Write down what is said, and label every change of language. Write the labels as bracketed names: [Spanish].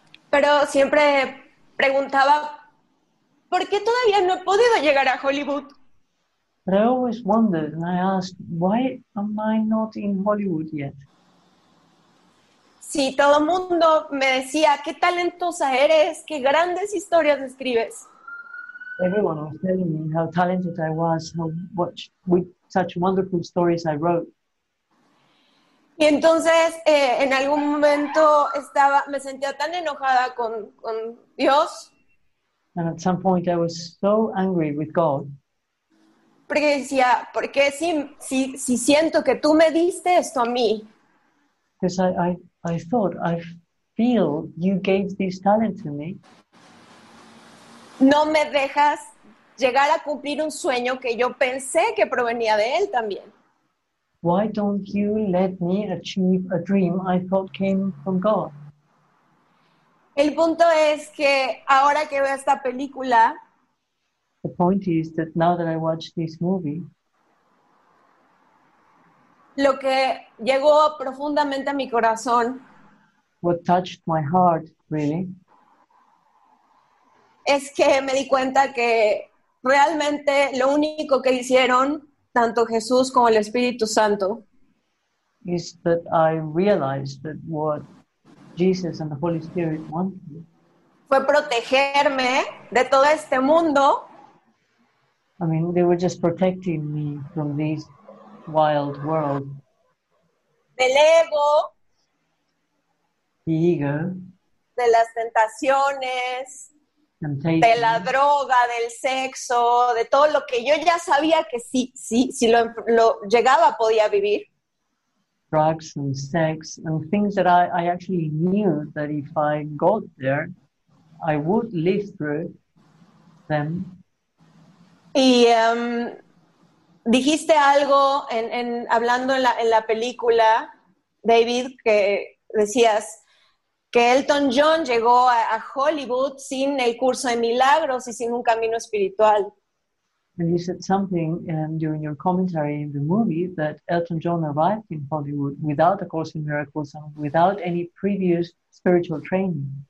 [Spanish] Pero siempre preguntaba, ¿por qué todavía no he podido llegar a Hollywood? [English] But I always wondered and I asked, why am I not in Hollywood yet? [Spanish] Sí, todo mundo me decía, qué talentosa eres, qué grandes historias escribes. [English] Everyone was telling me how talented I was, how much, with such wonderful stories I wrote. [Spanish] Y entonces, en algún momento estaba, me sentía tan enojada con Dios. [English] And at some point I was so angry with God. [Spanish] Porque decía, porque si siento que tú me diste esto a mí. [English] Because I thought, I feel you gave this talent to me. [Spanish] No me dejas llegar a cumplir un sueño que yo pensé que provenía de él también. [English] Why don't you let me achieve a dream I thought came from God? [Spanish] El punto es que ahora que veo esta película, [English] the point is that now that I watch this movie, [Spanish] lo que llegó profundamente a mi corazón, [English] what touched my heart, really, [Spanish] es que me di cuenta que realmente lo único que hicieron tanto Jesús como el Espíritu Santo [English] is that I realized that what Jesus and the Holy Spirit wanted [Spanish] fue protegerme de todo este mundo. [English] I mean, they were just protecting me from this wild world. [Spanish] Del ego. [English] The ego. [Spanish] De las tentaciones. [English] Temptation. [Spanish] De la droga, del sexo, de todo lo que yo ya sabía que si lo llegaba podía vivir. [English] Drugs and sex and things that I actually knew that if I got there, I would live through them. [Spanish] Y dijiste algo en hablando en la película, David, que decías que Elton John llegó a Hollywood sin el curso de milagros y sin un camino espiritual. [English] And you said something during your commentary in the movie that Elton John arrived in Hollywood without a course in miracles and without any previous spiritual training.